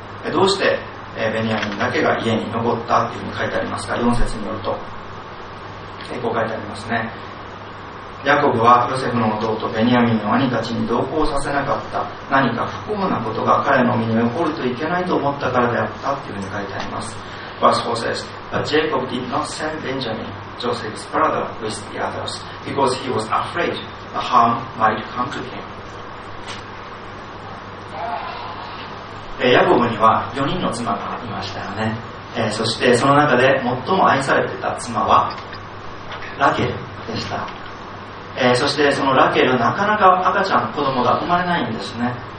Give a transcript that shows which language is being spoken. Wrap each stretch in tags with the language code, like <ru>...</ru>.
<ja>どうしてベニヤミンだけが家に残ったっていうふうに書いてありますか？ 4節によると、こう書いてありますね。ヤコブはヨセフの弟ベニヤミンの兄たちに同行させなかった。何か不幸なことが彼の身に起こるといけないと思ったからであったっていうふうに書いてあります。</ja> <en>Verse 4 says, But Jacob did not send Benjamin, Joseph's brother, with the others, because he was afraid the harm might come to him.</en> <ja>ヤコブには4人の妻がいましたよね。そしてその中で最も愛されていた妻はラケルでした。そしてそのラケル、なかなか赤ちゃん、子供が生まれないんですね。</ja>